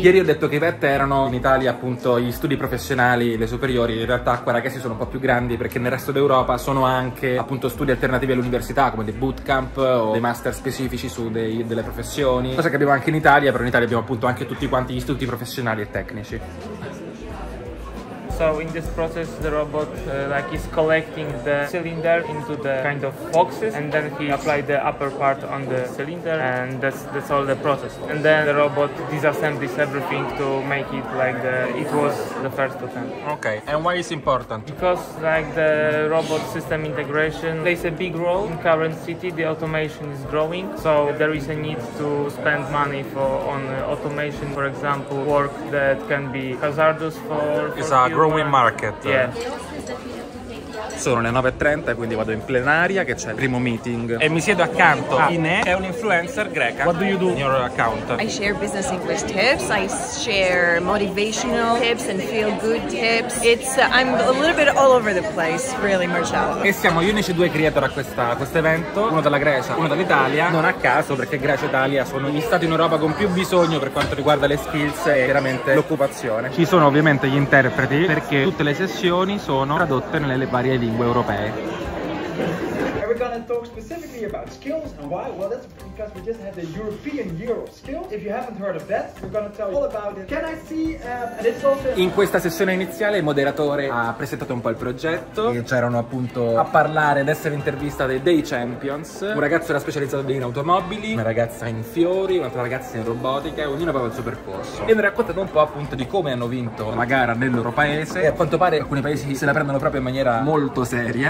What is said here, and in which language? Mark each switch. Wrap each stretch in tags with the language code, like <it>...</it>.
<it>Ieri ho detto che i VET erano in Italia appunto gli studi professionali, le superiori. In realtà qua ragazzi sono un po' più grandi, perché nel resto d'Europa sono anche appunto studi alternativi all'università, come dei bootcamp o dei master specifici su delle professioni. Cosa che abbiamo anche in Italia, però in Italia abbiamo appunto anche tutti quanti gli istituti professionali e tecnici.</it> <en>So in this process the robot like is collecting the cylinder into the kind of boxes and then he apply the upper part on the cylinder and that's all the process. And then the robot disassembles everything to make it like it was the first attempt. Okay, and why is important? Because like the robot system integration plays a big role in current city, the automation is growing, so there is a need to spend money on automation, for example, work that can be hazardous for growing market. Yeah.</en> <it>Sono le 9.30, quindi vado in plenaria, che c'è il primo meeting. E mi siedo accanto a Inè, che è un influencer greca.</it> <en>What do you do in your account? I share business English tips, I share motivational tips and feel good tips. I'm a little bit all over the place, really, Marcello.</en> <it>E siamo gli unici due creator a questo evento, uno dalla Grecia, uno dall'Italia. Non a caso, perché Grecia e Italia sono gli stati in Europa con più bisogno per quanto riguarda le skills e chiaramente l'occupazione. Ci sono ovviamente gli interpreti, perché tutte le sessioni sono tradotte nelle varie lingue europee.</it> <en>And talk specifically about skills and why. Well, that's because we just had the European Year of Skills. If you haven't heard of that, we're going to tell you all about it. Can I see? And it's also</en> <it>in questa sessione iniziale il moderatore ha presentato un po' il progetto e c'erano appunto a parlare ad essere intervista dei champions. Un ragazzo era specializzato in automobili, una ragazza in fiori, un'altra ragazza in robotica, ognuno aveva il suo percorso. E hanno raccontato un po' appunto di come hanno vinto la gara nel loro paese. E a quanto pare alcuni paesi se la prendono proprio in maniera molto seria.</it>